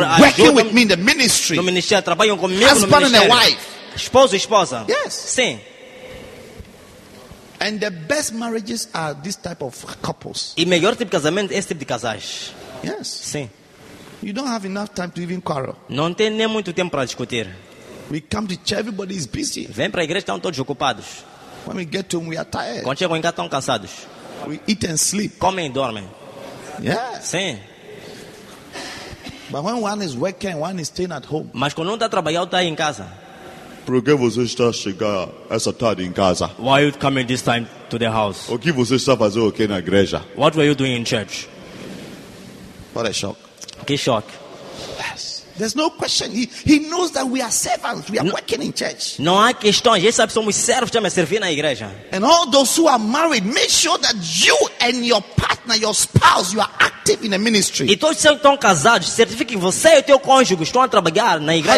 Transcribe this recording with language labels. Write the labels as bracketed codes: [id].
[en] They are working with me in the ministry. [pt] No ministério, trabalham comigo. [en] Husband and a wife. [pt] Esposo e esposa. [en] Yes. [pt] Sim. [en] And the best marriages are this type of couples. [pt] E melhor tipo de casamento é esse tipo de casais. [en] Yes. [pt] Sim. [en] You don't have enough time to even quarrel. [pt] Não tem nem muito tempo para discutir. [en] We come to church, everybody is busy. [pt] Vem para a igreja, estão todos ocupados. [en] When we get home, we are tired. [pt] Quando chegam em casa, estão cansados. [en] We eat and sleep. [pt] Comem e dormem. [en] Yeah. [pt] Sim. [en] But when one is working, one is staying at home. [pt] Mas quando um está trabalhando, está em casa. Por que você está chegando essa tarde em casa? [en] Why are you coming this time to the house? [pt] O que você está fazendo aqui na igreja? [en] What were you doing in church? What a shock! [pt] Que shock! [en] Yes, there's no question. He knows that we are servants. We are working in church. [pt] Não há questão. Ele sabe que somos servos, estamos servindo na igreja. [en] And all those who are married, make sure that you and your partner, your spouse, you are active in the ministry. [pt] E todos que estão casados, certifique que você e o teu cônjuge estão a trabalhar na igreja.